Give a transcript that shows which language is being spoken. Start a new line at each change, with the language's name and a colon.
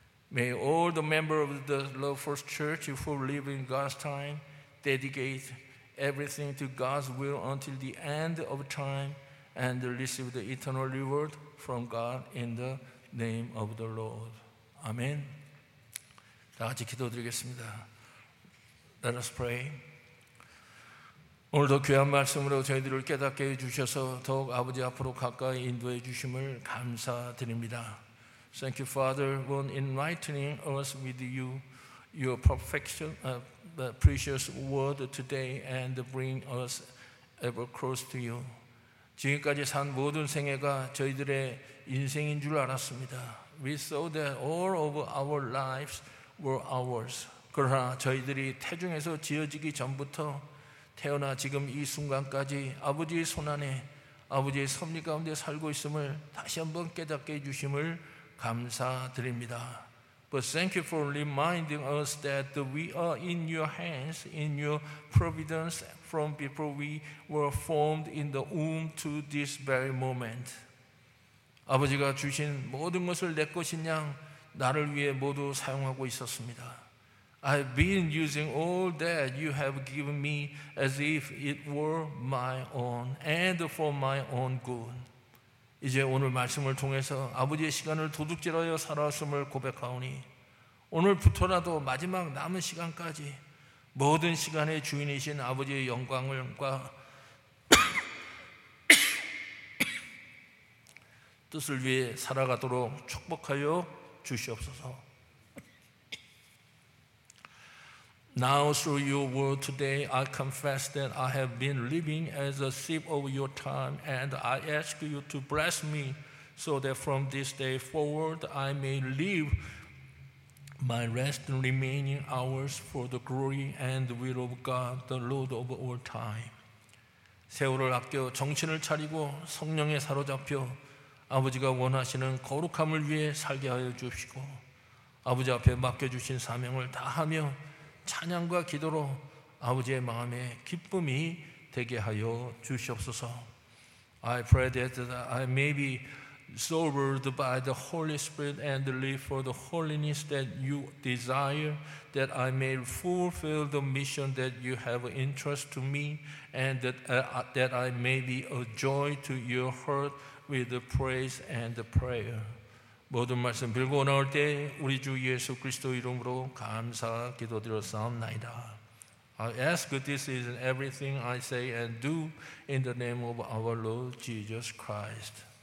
English: May all the members of the Love First Church who live in God's time dedicate everything to God's will until the end of time and receive the eternal reward from God in the name of the Lord. Amen.
Korean: 다 같이 기도드리겠습니다.
English: Let us pray.
Korean: 오늘도 귀한 말씀으로 저희들을 깨닫게 해주셔서 더욱 아버지 앞으로 가까이 인도해 주심을 감사드립니다.
English: Thank you, Father, for enlightening us with you, your perfection, the precious word today, and bring us ever close to you.
Korean: 지금까지 산 모든 생애가 저희들의 인생인 줄 알았습니다.
English: We saw that all of our lives were ours.
Korean: 그러나 저희들이 태중에서 지어지기 전부터 태어나 지금 이 순간까지 아버지의 손안에 아버지의 섭리 가운데 살고 있음을 다시 한번 깨닫게 해주심을 감사드립니다.
English: But thank you for reminding us that we are in your hands, in your providence from before we were formed in the womb to this very moment.
Korean: 아버지가 주신 모든 것을 내 것인 양 나를 위해 모두 사용하고 있었습니다.
English: I've been using all that you have given me as if it were my own and for my own good.
Korean: 이제 오늘 말씀을 통해서 아버지의 시간을 도둑질하여 살아왔음을 고백하오니 오늘부터라도 마지막 남은 시간까지 모든 시간의 주인이신 아버지의 영광과 뜻을 위해 살아가도록 축복하여 주시옵소서.
English: Now through your word today, I confess that I have been living as a thief of your time, and I ask you to bless me so that from this day forward I may live my rest and remaining hours for the glory and will of God, the Lord of all time.
Korean: 세월을 아껴 정신을 차리고 성령에 사로잡혀 아버지가 원하시는 거룩함을 위해 살게 하여 주시고 아버지 앞에 맡겨주신 사명을 다하며 찬양과 기도로 아버지의 마음에 기쁨이 되게 하여 주시옵소서.
English: I pray that I may be sobered by the Holy Spirit and live for the holiness that you desire, that I may fulfill the mission that you have entrusted to me, and that I may be a joy to your heart with the praise and the prayer.
Korean: 모든 말씀 빌고 나올 때 우리 주 예수 그리스도 이름으로 감사 기도드렸사옵나이다.
English: I ask this is everything I say and do in the name of our Lord Jesus Christ.